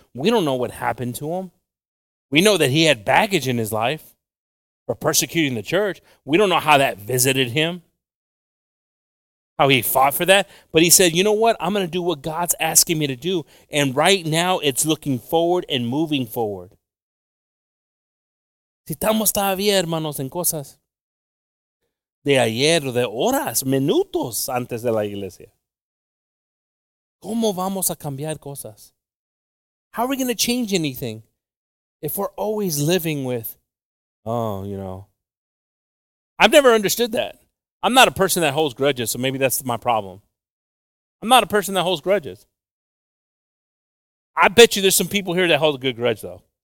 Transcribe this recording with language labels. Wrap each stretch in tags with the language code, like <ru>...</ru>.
<en>We don't know what happened to him. We know that he had baggage in his life for persecuting the church. We don't know how that visited him, how he fought for that. But he said, you know what? I'm going to do what God's asking me to do. And right now, it's looking forward and moving forward.</en> <es>Si estamos todavía, hermanos, en cosas de ayer, de horas, minutos antes de la iglesia. ¿Cómo vamos a cambiar cosas?</es> <en>How are we going to change anything if we're always living with, oh, you know. I've never understood that. I'm not a person that holds grudges, so maybe that's my problem. I'm not a person that holds grudges. I bet you there's some people here that hold a good grudge, though.</en>